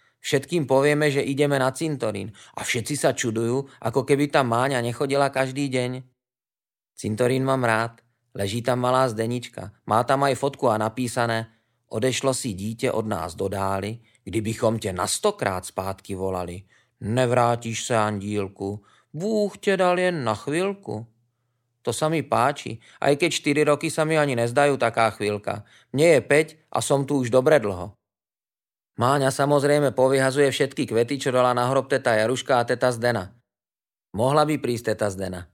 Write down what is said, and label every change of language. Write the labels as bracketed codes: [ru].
[sk] Všetkým povieme, že ideme na cintorín a všetci sa čudujú, ako keby tam Máňa nechodila každý deň. Cintorín mám rád, leží tam malá Zdenička, má tam aj fotku a napísané: [cs] Odešlo si dítě od nás do dály, kdybychom tě na 100krát zpátky volali. Nevrátíš se, andílku, Bůh tě dal jen na chvilku. [sk] To sa mi páči, aj keď 4 roky sa mi ani nezdajú taká chvilka. Mne je 5 a som tu už dobre dlho. Máňa samozrejme povyhazuje všetky kvety, čo dala na hrob teta Jaruška a teta Zdena. Mohla by prísť teta Zdena.